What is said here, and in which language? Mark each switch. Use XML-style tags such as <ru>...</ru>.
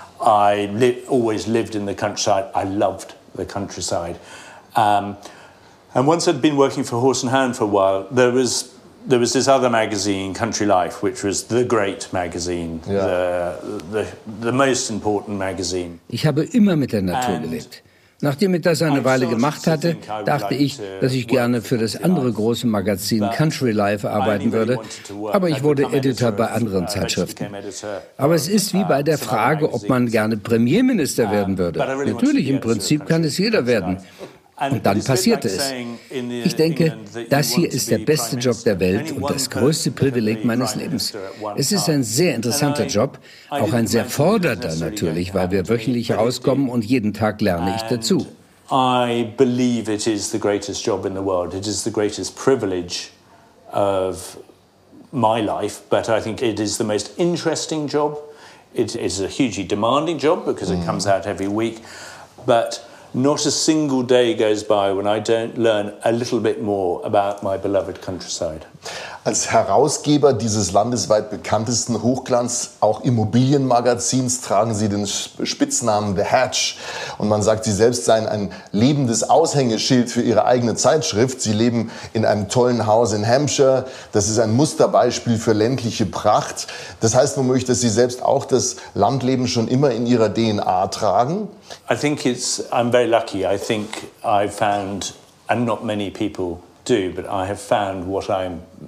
<en>I always lived in the countryside. I loved the countryside. And once I'd been working for Horse and Hound for a while, there was this other magazine, Country Life, which was the great magazine, the most important magazine.</en> <de>Ich habe immer mit der Natur gelebt. Nachdem ich das eine Weile gemacht hatte, dachte ich, dass ich gerne für das andere große Magazin Country Life arbeiten würde, aber ich wurde Editor bei anderen Zeitschriften. Aber es ist wie bei der Frage, ob man gerne Premierminister werden würde. Natürlich, im Prinzip kann es jeder werden. Und dann passierte es. Ich denke, das hier ist der beste Job der Welt und das größte Privileg meines Lebens. Es ist ein sehr interessanter Job, auch ein sehr fordernder natürlich, weil wir wöchentlich rauskommen und jeden Tag lerne ich dazu.</de> <en>I believe it is the greatest job in the world. It is the greatest privilege of my life, but I think it is the most interesting job. It is a hugely demanding job because it comes out every week, but not a single day goes by when I don't learn a little bit more about my beloved countryside.</en> <de>Als Herausgeber dieses landesweit bekanntesten Hochglanz auch Immobilienmagazins tragen Sie den Spitznamen The Hatch. Und man sagt, Sie selbst seien ein lebendes Aushängeschild für Ihre eigene Zeitschrift. Sie leben in einem tollen Haus in Hampshire. Das ist ein Musterbeispiel für ländliche Pracht. Das heißt womöglich, dass Sie selbst auch das Landleben schon immer in Ihrer DNA tragen.</de> <en>I think I'm very lucky. I think I found, and not many people do, but I have found what I'm</en>